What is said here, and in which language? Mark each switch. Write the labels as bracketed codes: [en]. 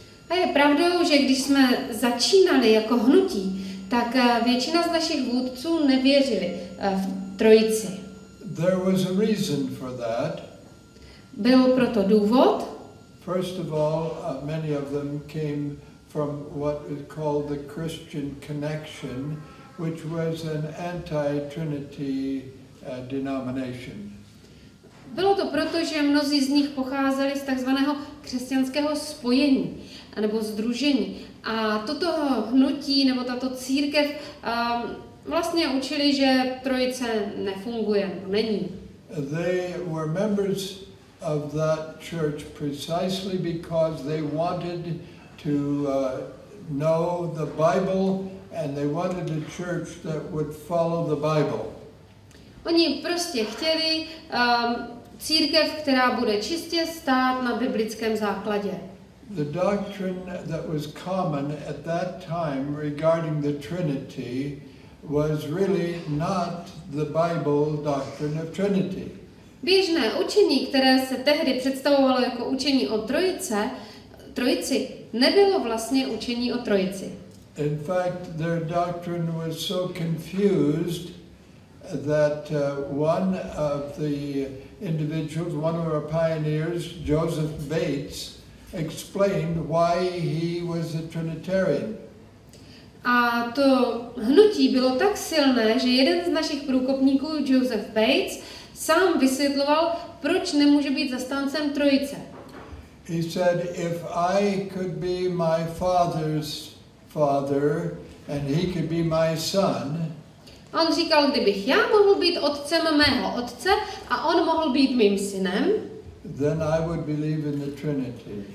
[cs] A je pravdou, že když jsme začínali jako hnutí, tak většina z našich vůdců nevěřili v Trojici. [en] There was a reason for that. [cs] Byl proto důvod. [en] First of all, many of them came from what is called the Christian Connection, which was an anti-Trinity denomination. [cs] Bylo to proto, že mnozí z nich pocházeli z takzvaného křesťanského spojení nebo združení. A toto hnutí nebo tato církev vlastně učili, že Trojice nefunguje, není. [en] They were members of that church precisely because they wanted to know the Bible and they wanted a church that would follow the Bible. [cs] Oni prostě chtěli církev, která bude čistě stát na biblickém základě. [en] The doctrine that was common at that time regarding the Trinity was really not the Bible doctrine of Trinity. [cs] Běžné učení, které se tehdy představovalo jako učení o Trojici, nebylo vlastně učení o Trojici. [en] In fact, their doctrine was so confused that one of the individuals, one of our pioneers, Joseph Bates, explained why he was a Trinitarian. [cs] A to hnutí bylo tak silné, že jeden z našich průkopníků, Joseph Bates, sám vysvětloval, proč nemůže být zastáncem Trojice. [en] He said, if I could be my father's father and he could be my son, [cs] on říkal, kdybych já mohl být otcem mého otce a on mohl být mým synem, [en] then I would believe in the Trinity.